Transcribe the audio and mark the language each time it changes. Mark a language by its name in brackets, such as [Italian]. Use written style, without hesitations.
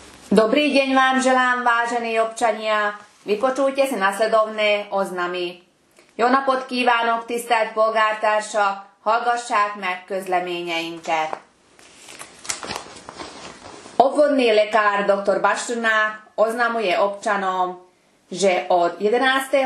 [Slovak] Dobrý deň vám želám, vážení občania. Vypočujte si nasledovné oznamy. [Hungarian] Jóna podkívánok, tisztelt polgártársak, hallgassák meg közleményeinket. [Slovak] Obvodný lekár dr. Bastrnák oznamuje občanom, že od 11.